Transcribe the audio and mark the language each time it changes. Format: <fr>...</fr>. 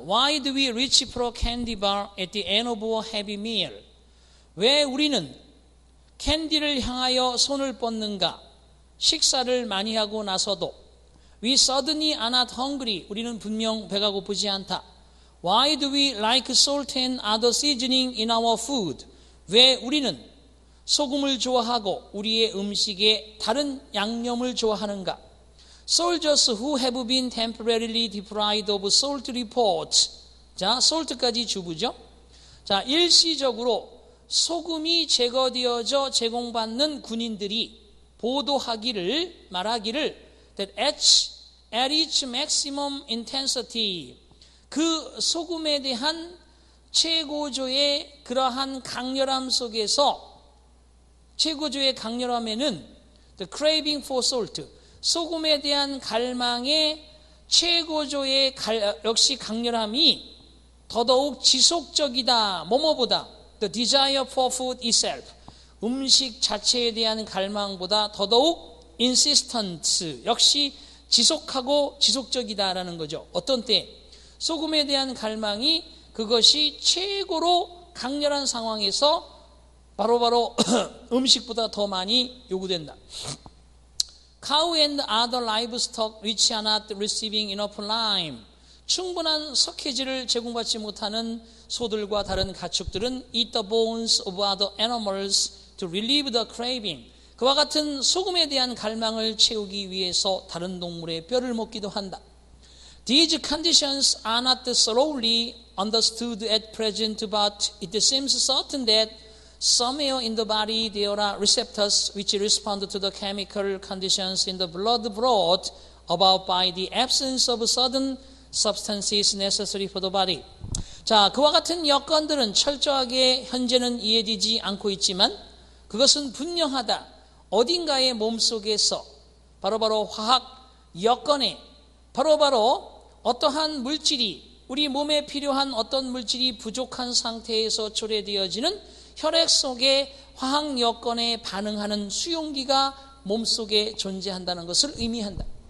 <en>Why do we reach for a candy bar at the end of a heavy meal?</en> <ko>왜 우리는 캔디를 향하여 손을 뻗는가? 식사를 많이 하고 나서도</ko> <en>We suddenly are not hungry.</en> <ko>우리는 분명 배가 고프지 않다.</ko> <en>Why do we like salt and other seasoning in our food?</en> <ko>왜 우리는 소금을 좋아하고 우리의 음식에 다른 양념을 좋아하는가?</ko> <en>Soldiers who have been temporarily deprived of salt report.</en> <ko>자, 솔트까지 주부죠. 자, 일시적으로 소금이 제거되어져 제공받는 군인들이 보도하기를 말하기를</ko> <en>that at its maximum intensity</en> <ko>그 소금에 대한 최고조의 그러한 강렬함 속에서 최고조의 강렬함에는</ko> <en>the craving for salt,</en> <ko>소금에 대한 갈망의 최고조의 역시 강렬함이 더더욱 지속적이다. 뭐뭐보다</ko> <en>the desire for food itself,</en> <ko>음식 자체에 대한 갈망보다 더더욱 insistent, 역시 지속하고 지속적이다라는 거죠. 어떤 때 소금에 대한 갈망이 그것이 최고로 강렬한 상황에서 바로바로 음식보다 더 많이 요구된다.</ko> <en>Cow and other livestock which are not receiving enough lime.</en> <ko>충분한 석회질을 제공받지 못하는 소들과 다른 가축들은</ko> <en>eat the bones of other animals to relieve the craving.</en> <ko>그와 같은 소금에 대한 갈망을 채우기 위해서 다른 동물의 뼈를 먹기도 한다.</ko> <en>These conditions are not thoroughly understood at present, but it seems certain that somewhere in the body there are receptors which respond to the chemical conditions in the blood brought about by the absence of certain substances necessary for the body.</en> <ko>자, 그와 같은 여건들은 철저하게 현재는 이해되지 않고 있지만 그것은 분명하다. 어딘가의 몸속에서 바로바로 화학 여건에 바로바로 어떠한 물질이 우리 몸에 필요한 어떤 물질이 부족한 상태에서 초래되어지는 혈액 속의 화학 여건에 반응하는 수용기가 몸속에 존재한다는 것을 의미한다.</ko>